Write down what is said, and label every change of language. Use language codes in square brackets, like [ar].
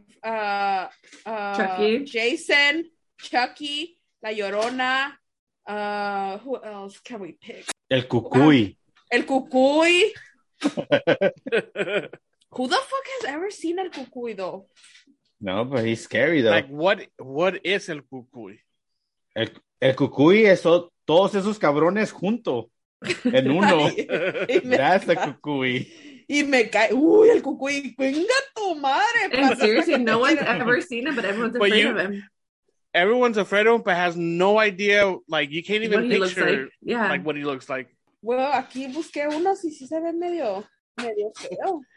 [en] Chucky. Jason, Chucky, La Llorona. Who else can we pick? El Cucuy. El Cucuy. Who the fuck has ever seen El Cucuy though? No, but he's scary though. Like what is El Cucuy? [es] El Cucuy es todos esos cabrones junto en uno. [en] That's the Cucuy. [es] Y me cae, uy, El Cucuy, venga tu madre. [en] And seriously, no one's ever seen him, but everyone's afraid of him. Everyone's afraid of him, but has no idea, like you can't even picture like. Yeah. Like what he looks like. Well, [es] aquí busqué uno y sí se ve medio feo.